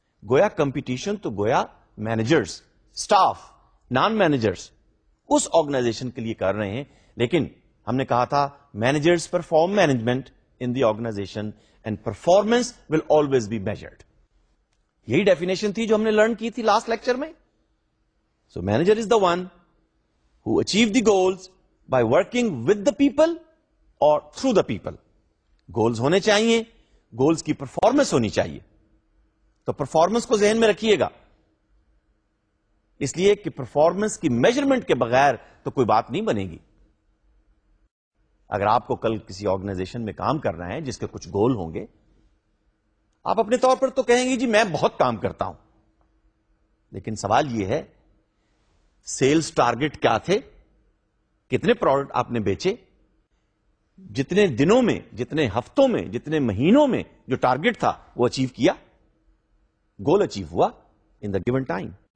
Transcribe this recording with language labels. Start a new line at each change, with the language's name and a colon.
Urdu: گویا کمپیٹیشن تو گویا مینیجرز, سٹاف, نان مینیجرز اس آرگنائزیشن کے لیے کر رہے ہیں. لیکن ہم نے کہا تھا
English: Managers perform management in the organisation and performance will always be measured.
Urdu: یہی ڈیفینیشن تھی جو ہم نے لرن کی تھی لاسٹ لیکچر میں.
English: So manager is the one who achieve the goals by working with the people اور through the people.
Urdu: گولز ہونے چاہیے, گولز کی پرفارمنس ہونی چاہیے. تو پرفارمنس کو ذہن میں رکھیے گا, اس لیے کہ پرفارمنس کی میجرمنٹ کے بغیر تو کوئی بات نہیں بنے گی. اگر آپ کو کل کسی آرگنائزیشن میں کام کرنا ہے جس کے کچھ گول ہوں گے, آپ اپنے طور پر تو کہیں گے جی میں بہت کام کرتا ہوں, لیکن سوال یہ ہے سیلز ٹارگٹ کیا تھے, کتنے پروڈکٹ آپ نے بیچے, جتنے دنوں میں, جتنے ہفتوں میں, جتنے مہینوں میں جو ٹارگٹ تھا وہ اچیو کیا, گول اچیو ہوا
English: In the given time.